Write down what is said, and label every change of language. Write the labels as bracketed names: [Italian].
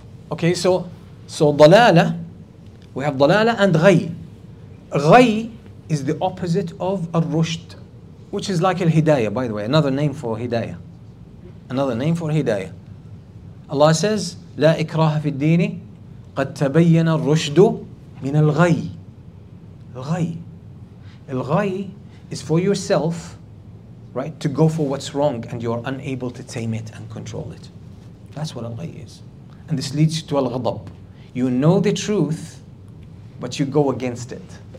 [English] Okay. So dalala. We have dalala and ghay. Ghay is the opposite of al-rushd, which is like al-hidayah. By the way, another name for hidayah. Another name for hidayah. Allah says, [Arabic] لا إكراه في الدين قد تبين الرشد من الغي. الغي. [English] الغي is for yourself, right, to go for what's wrong and you are unable to tame it and control it. That's what الغي is. And this leads to الغضب. You know the truth, but you go against it.